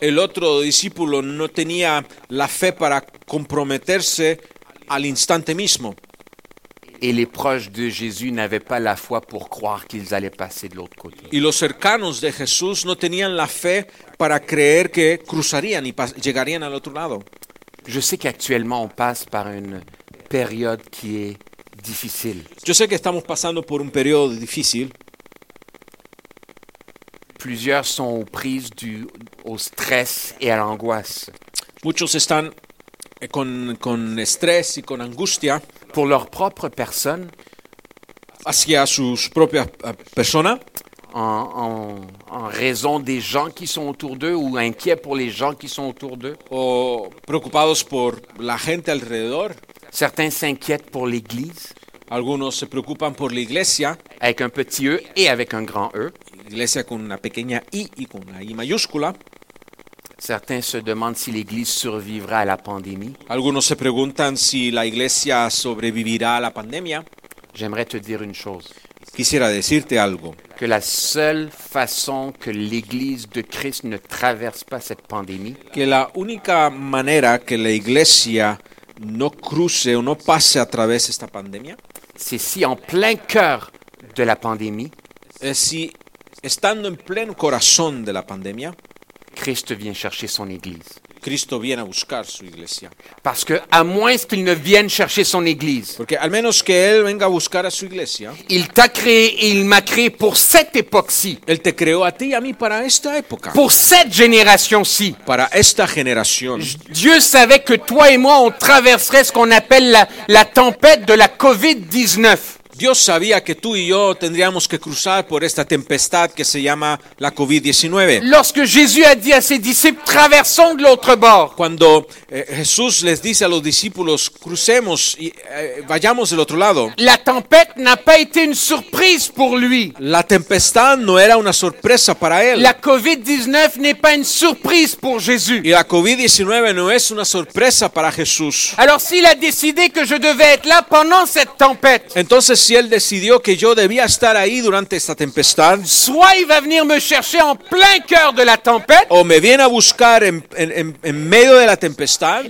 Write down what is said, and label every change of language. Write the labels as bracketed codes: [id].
[es] El otro discípulo no tenía la fe para comprometerse al instante mismo. [fr] Et les proches de Jésus n'avaient pas la foi pour croire qu'ils allaient passer de l'autre côté. [es] Y los cercanos de Jesús no tenían la fe para creer que cruzarían y llegarían al otro lado. [fr] Je sais qu'actuellement on passe par une période qui est difficile. [es] Yo sé que estamos pasando por un periodo difícil. [fr] Plusieurs sont aux prises au stress et à l'angoisse. [es] Muchos están con estrés y con angustia. [fr] Pour leur propre personne. [es] Hacia sus propias personas. [fr] En raison des gens qui sont autour d'eux ou inquiets pour les gens qui sont autour d'eux. [es] O preocupados por la gente alrededor. [fr] Certains s'inquiètent pour l'Église. [es] Algunos se preocupan por la Iglesia. [fr] Avec un petit E et avec un grand E. [es] Iglesia con una pequeña I y con una I mayúscula. [fr] Certains se demandent si l'Église survivra à la pandémie. [es] Algunos se preguntan si la iglesia sobrevivirá a la pandemia. [fr] J'aimerais te dire une chose. [es] Quisiera decirte algo. [fr] Que la seule façon que l'Église de Christ ne traverse pas cette pandémie. [es] Que la única manera que la iglesia no cruce o no pase a través esta pandemia. [fr] C'est si en plein cœur de la pandémie. [es] Et si estando en pleno corazón de la pandemia. [fr] Christ vient chercher son Église. [es] Cristo viene a buscar su iglesia. [fr] Parce que à moins qu'il ne vienne chercher son Église. [es] Porque al menos que él venga a buscar a su iglesia. [fr] Il t'a créé, il m'a créé pour cette époque-ci. [es] Él te creó a ti y a mí para esta época. [fr] Pour cette génération-ci. [es] Para esta generación. [fr] Dieu savait que toi et moi on traverserait ce qu'on appelle la tempête de la COVID-19. [es] Dios sabía que tú y yo tendríamos que cruzar por esta tempestad que se llama la COVID-19. [fr] Lorsque Jésus a dit à ses disciples, traversons de l'autre bord. [es] Cuando Jesús les dice a los discípulos, crucemos y vayamos del otro lado. [fr] La tempête n'a pas été une surprise pour lui. [es] La tempestad no era una sorpresa para él. [fr] La COVID-19 n'est pas une surprise pour Jésus. [es] Y la COVID-19 no es una sorpresa para Jesús. [fr] Alors s'il a décidé que je devais être là pendant cette tempête. [es] Entonces si él decidió que yo debía estar ahí durante esta tempestad, [fr] soit il va venir me chercher en plein cœur de la tempête, [es] o me viene a buscar en medio de la tempestad,